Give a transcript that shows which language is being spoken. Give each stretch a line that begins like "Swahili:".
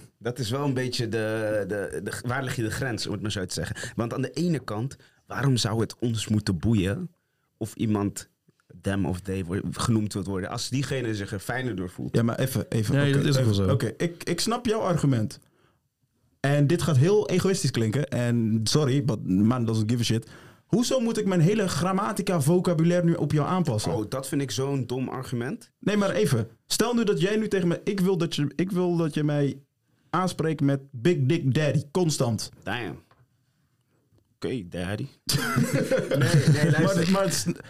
Dutch: Dat is wel een beetje de waar leg je de grens, om het maar zo te zeggen. Want aan de ene kant, waarom zou het ons moeten boeien of iemand them of they genoemd wilt worden, als diegene zich er fijner door voelt. Ja, maar even. Nee, okay, dat is even zo. Oké, ik snap jouw argument. En dit gaat heel egoïstisch klinken. En
English: sorry, but man doesn't give a shit.
Dutch: Hoezo moet ik mijn hele grammatica vocabulaire nu op jou aanpassen? Oh, dat vind ik zo'n dom argument. Nee, maar even. Stel nu dat jij nu tegen mij... Ik wil dat je mij aanspreekt met Big Dick Daddy, constant.
English: Damn. Oké, okay, daddy.
Dutch: Nee, luister. Maar het is...